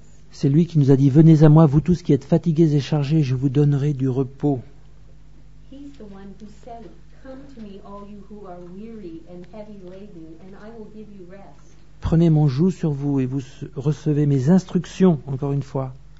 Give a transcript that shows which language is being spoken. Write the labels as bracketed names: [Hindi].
[French] C'est lui qui nous a dit, venez à moi, vous tous qui êtes fatigués et chargés, je vous donnerai du repos. [English] He's the one who said, come to me all you who are weary and heavy laden, and I will give you rest. [French] Prenez mon joug sur vous et vous recevez mes instructions, encore une fois.